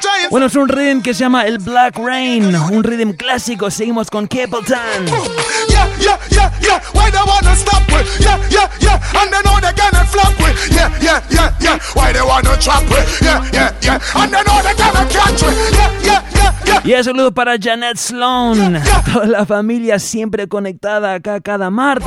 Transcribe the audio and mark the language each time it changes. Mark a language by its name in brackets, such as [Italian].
[Spanish] Bueno, es un rhythm que se llama el Black Rain, un rhythm clásico. Seguimos con Capleton. [English] Yeah, why they wanna stop we? Yeah, and they know they cannot flop we. Yeah, why they wanna trap we? Yeah, and they know they cannot catch we. Yeah. [Spanish] Y un saludo para Janet Sloan. Toda la familia siempre conectada acá cada martes.